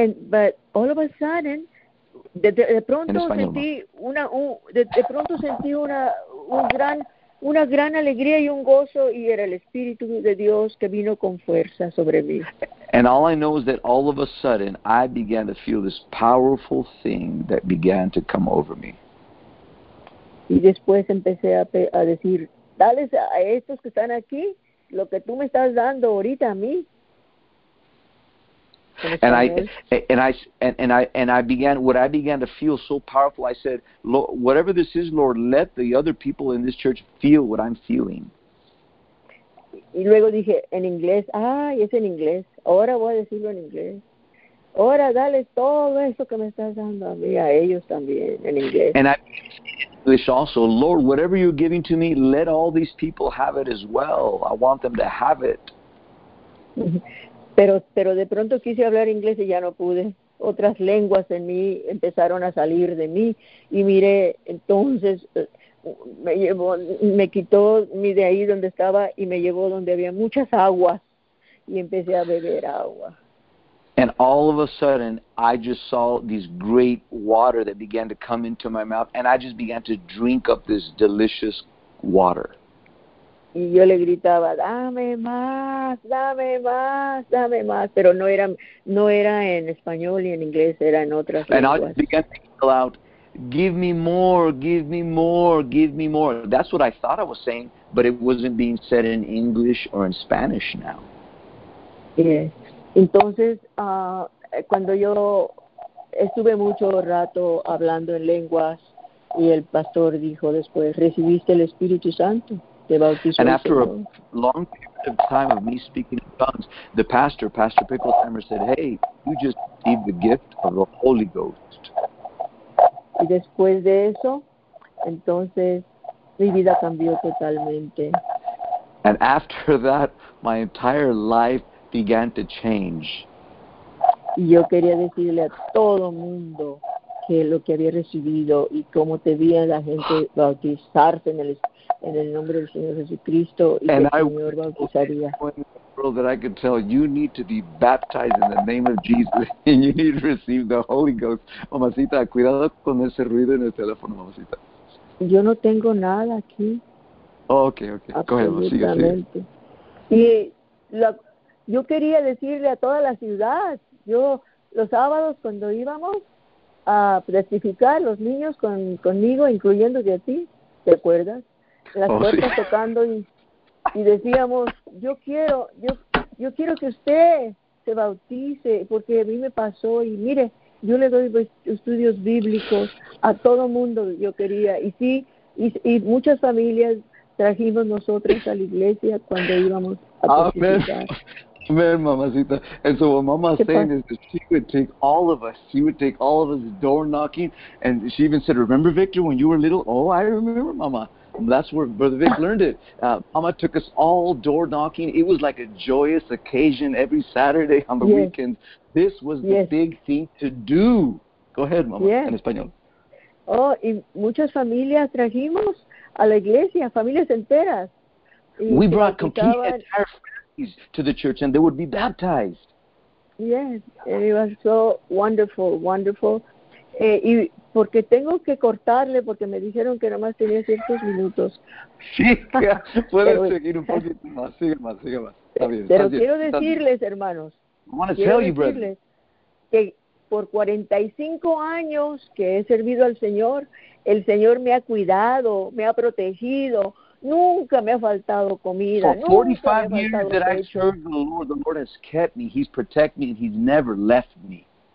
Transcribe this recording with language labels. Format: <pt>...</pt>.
<en>But all of a sudden,</en> <es>de pronto sentí una gran alegría y un gozo, y era el Espíritu de Dios que vino con fuerza sobre mí.</es> <en>And all I know is that all of a sudden, I began to feel this powerful thing that began to come over me.</en> <es>Y después empecé a decir, dale a estos que están aquí lo que tú me estás dando ahorita a mí.</es> <en>And I began to feel so powerful. I said, Lord, whatever this is, Lord, let the other people in this church feel what I'm feeling.</en> <es>Y luego dije en inglés, ay, es en inglés. Ahora voy a decirlo en inglés. Ahora dale todo eso que me estás dando a mí a ellos también en inglés.</es> <en>And I began to say also, Lord, whatever you're giving to me, let all these people have it as well. I want them to have it.</en> <es>Pero de pronto quise hablar inglés y ya no pude. Otras lenguas en mí empezaron a salir de mí. Y miré, entonces me quitó mi de ahí donde estaba y me llevó donde había muchas aguas. Y empecé a beber agua.</es> <en>And all of a sudden, I just saw this great water that began to come into my mouth. And I just began to drink up this delicious water.</en> <es>Y yo le gritaba, dame más, dame más, dame más. Pero no era en español y en inglés, era en otras lenguas.</es> <en>And I began to yell out, give me more, give me more, give me more. That's what I thought I was saying, but it wasn't being said in English or in Spanish now. Yes.</en> <es>Entonces, cuando yo estuve mucho rato hablando en lenguas, y el pastor dijo después, ¿recibiste el Espíritu Santo? And after a long period of time of me speaking in tongues, the pastor, Pastor Picklesheimer, said, hey, you just received the gift of the Holy Ghost. Y después de eso, entonces, mi vida cambió totalmente.</es> <en>And after that, my entire life began to change.</en> <es>Y yo quería decirle a todo mundo que lo que había recibido y cómo te vi a la gente bautizarse en el nombre del Señor Jesucristo y que el Señor bautizaría.</es> <en>world that I could tell you need to be baptized in the name of Jesus and you need to receive the Holy Ghost.</en> <es>Mamacita, cuidado con ese ruido en el teléfono, mamacita. Yo no tengo nada aquí. Oh, okay. Cógelo, sigue. Y yo quería decirle a toda la ciudad, yo los sábados cuando íbamos a testificar, los niños conmigo, incluyendo de ti, ¿te acuerdas? Las puertas sí. Tocando y decíamos, yo quiero que usted se bautice, porque a mí me pasó y mire, yo le doy estudios bíblicos a todo mundo, yo quería, y sí, y muchas familias trajimos nosotros a la iglesia cuando íbamos a testificar. Amen, mamacita.</es> <en>And so what mama's saying is that she would take all of us. She would take all of us door knocking. And she even said, remember, Victor, when you were little? Oh, I remember, mama. And that's where Brother Vic learned it. Mama took us all door knocking. It was like a joyous occasion every Saturday on the weekend. This was the big thing to do. Go ahead, mama,</en> <es>en español. Oh, y muchas familias trajimos a la iglesia, familias enteras.</es> <en>We brought complete entire to the church and they would be baptized. Yes, it was so wonderful.</en> <es>Y porque tengo que cortarle porque me dijeron que nomás tenía ciertos minutos. Sí, puedes seguir un poquito más, sigue más. Está bien, pero está quiero bien, decirles, bien. Hermanos,</es> <en>I want to tell you, brother,</en> <es>que por 45 años que he servido al Señor, el Señor me ha cuidado, me ha protegido. Nunca me ha faltado comida.</es> <en>For 45 years that I served the Lord has kept me, He's protected me, and He's never left me.</en>